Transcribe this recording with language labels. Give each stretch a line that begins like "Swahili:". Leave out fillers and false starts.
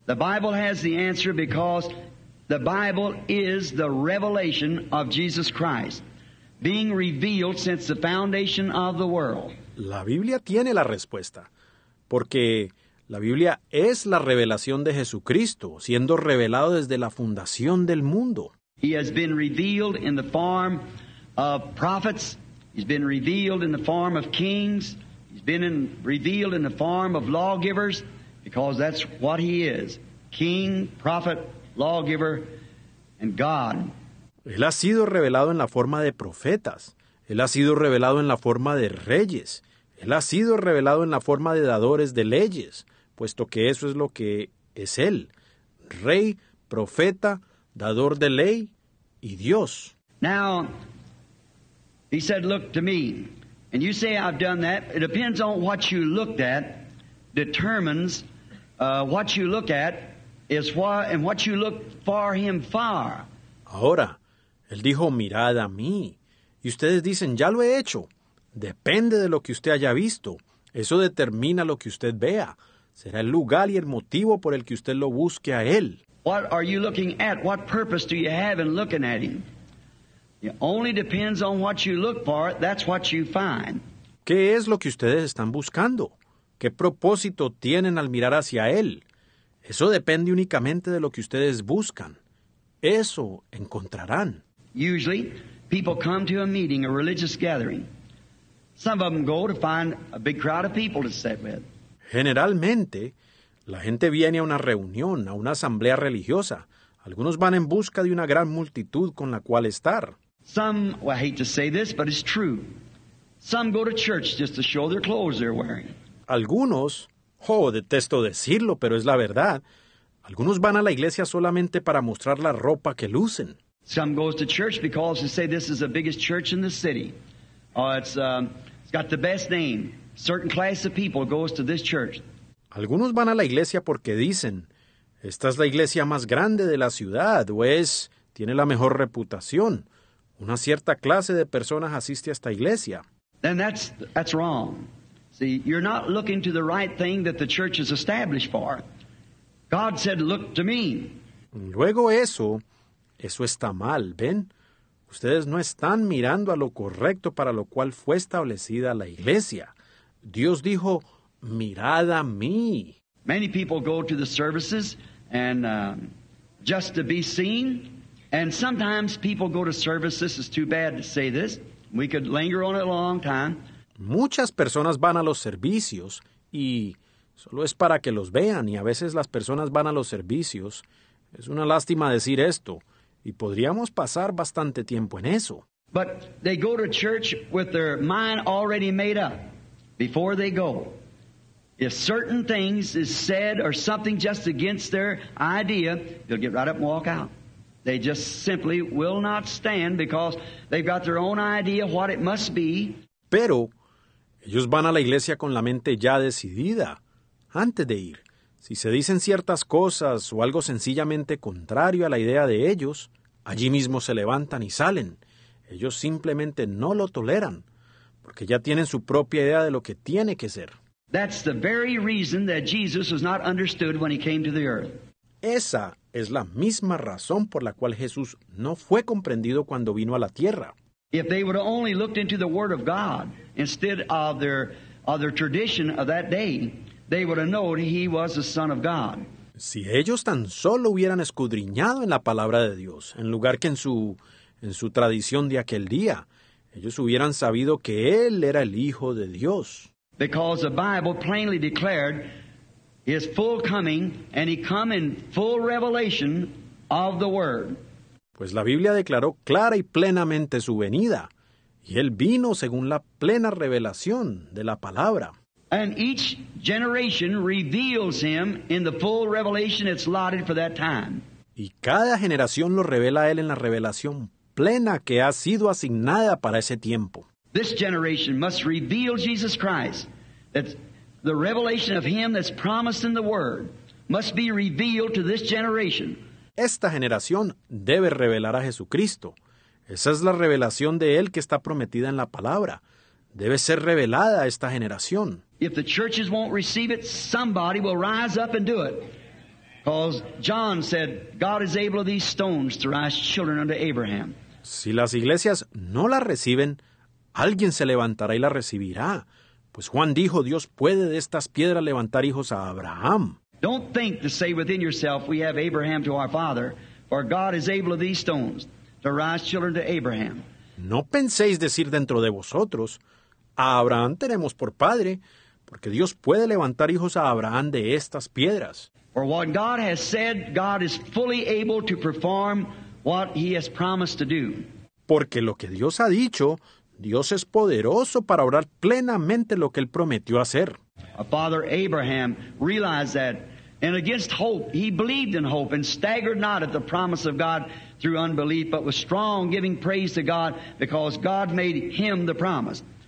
English: The Bible has the answer because the Bible is the revelation of Jesus Christ, being revealed since the foundation of the world.
Spanish: La Biblia tiene la respuesta, porque la Biblia es la revelación de Jesucristo, siendo revelado desde la fundación del mundo.
English: He has been revealed in the form of prophets. He's been revealed in the form of kings. He's been revealed in the form of lawgivers, because that's what he is, king, prophet, lawgiver, and God.
Spanish: Él ha sido revelado en la forma de profetas. Él ha sido revelado en la forma de reyes. Él ha sido revelado en la forma de dadores de leyes, puesto que eso es lo que es él, rey, profeta, dador de ley y Dios.
English: Now, he said, look to me. And you say, I've done that. It depends on what you looked at, determines what you look at is what, and what you look for him for.
Spanish: Ahora, él dijo, mirad a mí. Y ustedes dicen, ya lo he hecho. Depende de lo que usted haya visto. Eso determina lo que usted vea. Será el lugar y el motivo por el que usted lo busque a él.
English: What are you looking at? What purpose do you have in looking at him? It only depends on what you look for, that's what you find.
Spanish: ¿Qué es lo que ustedes están buscando? ¿Qué propósito tienen al mirar hacia él? Eso depende únicamente de lo que ustedes buscan. Eso encontrarán.
English: Usually, people come to a meeting, a religious gathering. Some of them go to find a big crowd of people to sit with.
Spanish: Generalmente, la gente viene a una reunión, a una asamblea religiosa. Algunos van en busca de una gran multitud con la cual estar.
English: Some, well, I hate to say this, but it's true. Some go to church just to show their clothes they're wearing.
Spanish: Algunos, oh, detesto decirlo, pero es la verdad. Algunos van a la iglesia solamente para mostrar la ropa que lucen.
English: Some go to church because they say this is the biggest church in the city. It's got the best name. Certain class of people goes to this church.
Spanish: Algunos van a la iglesia porque dicen, esta es la iglesia más grande de la ciudad, o es, tiene la mejor reputación. Una cierta clase de personas asiste a esta iglesia.
English: Then that's wrong. See, you're not looking to the right thing that the church is established for. God said, look to me.
Spanish: Luego eso está mal, ¿ven? Ustedes no están mirando a lo correcto para lo cual fue establecida la iglesia. Dios dijo, mirad a mí.
English: Many people go to the services and just to be seen. And sometimes people go to service. This is too bad to say this. We could linger on it a long time.
Spanish: Muchas personas van a los servicios y solo es para que los vean. Y a veces las personas van a los servicios. Es una lástima decir esto. Y podríamos pasar bastante tiempo en eso.
English: But they go to church with their mind already made up before they go. If certain things is said or something just against their idea, they'll get right up and walk out. They just simply will not stand because they've got their own idea what it must be.
Spanish: Pero ellos van a la iglesia con la mente ya decidida antes de ir. Si se dicen ciertas cosas o algo sencillamente contrario a la idea de ellos, allí mismo se levantan y salen. Ellos simplemente no lo toleran porque ya tienen su propia idea de lo que tiene que ser.
English: That's the very reason that Jesus was not understood when he came to the earth.
Spanish: Esa es la misma razón por la cual Jesús no fue comprendido cuando vino a la tierra.
English: If they would have only looked into the word of God instead of their tradition of that day, they would have known he was the Son of God.
Spanish: Si ellos tan solo hubieran escudriñado en la palabra de Dios, en lugar que en su tradición de aquel día, ellos hubieran sabido que él era el Hijo de Dios.
English: Because the Bible plainly declared his full coming, and he come in full revelation of the word.
Spanish: Pues la Biblia declaró clara y plenamente su venida, y él vino según la plena revelación de la palabra.
English: And each generation reveals him in the full revelation that's allotted for that time.
Spanish: Y cada generación lo revela a él en la revelación plena que ha sido asignada para ese tiempo.
English: This generation must reveal Jesus Christ. That's the revelation of him that's promised in the word must be revealed to this generation.
Spanish: Esta generación debe revelar a Jesucristo. Esa es la revelación de él que está prometida en la palabra. Debe ser revelada a esta generación.
English: If the churches won't receive it, somebody will rise up and do it. Because John said, God is able of these stones to raise children unto Abraham.
Spanish: Si las iglesias no la reciben, alguien se levantará y la recibirá. Pues Juan dijo, Dios puede de estas piedras levantar hijos a Abraham.
English: Don't think to say within yourself, we have Abraham to our father, for God is able of these stones to raise children to Abraham.
Spanish: No penséis decir dentro de vosotros, a Abraham tenemos por padre, porque Dios puede levantar hijos a Abraham de estas piedras.
English: For what God has said, God is fully able to perform what he has promised to do.
Spanish: Porque lo que Dios ha dicho, Dios es poderoso para obrar plenamente lo que él prometió hacer.
English: Father Abraham realized that, and against hope, he believed in hope and staggered not at the promise of God through unbelief, but was strong, giving praise to God because God made him the promise.